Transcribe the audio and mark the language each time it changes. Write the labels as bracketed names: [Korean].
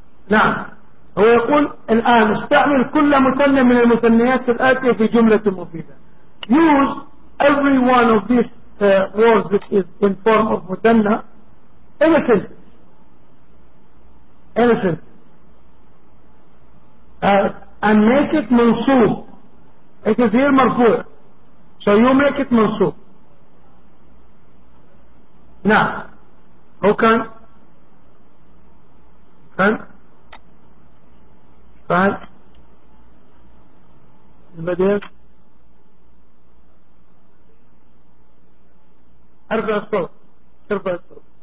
[Arabic] نعم، هو يقول الآن استعمل كل مثنى من المثنيات الآتية في جملة مفيدة. [English] Use every one of these words which is in form of مثنى in a sentence. In a sentence. And make it منصوب. It is here مرفوع. So you make it منصوب. نعم هو كان كان فعل البديل أربع صوت أربع صوت